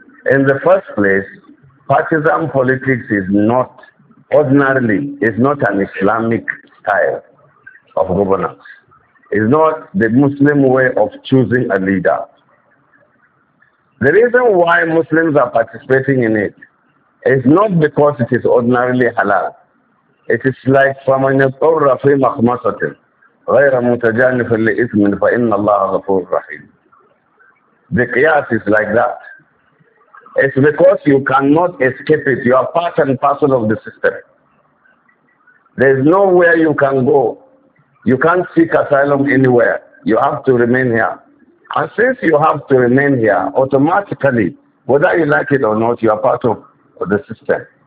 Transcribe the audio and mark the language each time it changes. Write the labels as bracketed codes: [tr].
[en] In the first place, partisan politics is not, ordinarily, is not an Islamic style of governance. It's not the Muslim way of choosing a leader. The reason why Muslims are participating in it is not because it is ordinarily halal. It is like [ar] فَمَنْ يَطْرَ فِي مَخْمَسَةٍ غَيْرَ مُتَجَانِفٍ لِإِثْمٍ فَإِنَّ اللَّهَ غَفُورٌ رَحِيمٌ. [en] The qiyas is like that. It's because you cannot escape it. You are part and parcel of the system. There is nowhere you can go. You can't seek asylum anywhere. You have to remain here. And since you have to remain here, automatically, whether you like it or not, you are part of the system.